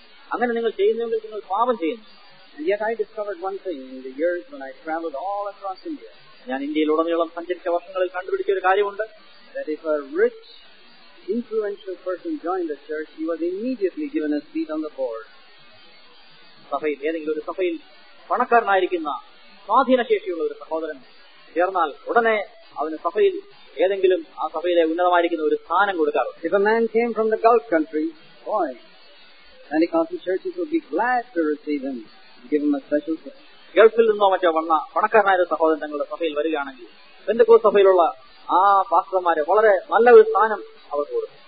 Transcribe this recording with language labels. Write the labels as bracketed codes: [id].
[ml] അങ്ങനെ നിങ്ങൾ ചെയ്യുന്നെങ്കിൽ നിങ്ങൾ പാപം ചെയ്യുന്നു. [en] Yet I discovered one thing in the years when I traveled all across India. [ml] ഞാൻ ഇന്ത്യയിലുടനീളം സഞ്ചരിച്ച വർഷങ്ങളിൽ കണ്ടുപിടിച്ച ഒരു കാര്യമുണ്ട്. [en] That if a rich, influential person joined the church, he was immediately given a seat on the board. [ml] സഭയിൽ ഏതെങ്കിലും ഒരു സഭയിൽ പണക്കാരനായിരിക്കുന്ന സ്വാധീനശേഷിയുള്ള ഒരു സഹോദരൻ ചേർന്നാൽ ഉടനെ അവന് സഭയിൽ ഏതെങ്കിലും ആ സഭയിലെ ഉന്നതമായിരിക്കുന്ന ഒരു സ്ഥാനം കൊടുക്കാറ്. [en] If a man came from the Gulf country, boy, Pentecostal churches would be glad to receive him, give him a special seat. [ml] ഗൾഫിൽ നിന്നോ മറ്റോ വന്ന പണക്കാരനായ സഹോദരൻ തങ്ങളുടെ സഭയിൽ വരികയാണെങ്കിൽ പെന്തക്കോസ് സഭയിലുള്ള ആ പാസ്റ്റർമാരെ വളരെ നല്ല ഒരു സ്ഥാനം അവർക്ക്